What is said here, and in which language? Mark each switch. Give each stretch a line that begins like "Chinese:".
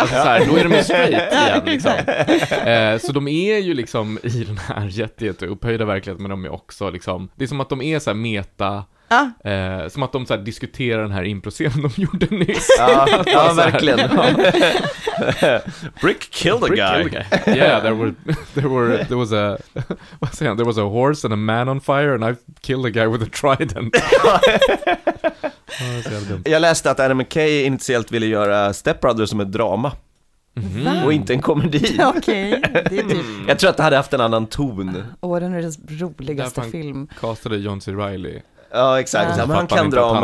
Swedish: Alltså, så här, då är de ju straight igen liksom. Så de är ju liksom i den här jätte upphöjda verkligheten, men de är också liksom, det är som att de är så här meta. Som att de så här diskuterar den här impro-scenen de gjorde nyss. Ja, ja, verkligen.
English: Brick killed a guy. Yeah, there was a horse and a man on fire and I killed a guy with a trident.
Swedish: Jag läste att Adam McKay initialt ville göra Step Brothers som ett drama. Mm. Och inte en komedi. Okay, jag tror att det hade haft en annan ton. Åh, den är dess roligaste film. Castade John C. Reilly. Ja, exakt. Ja. Han kan dra om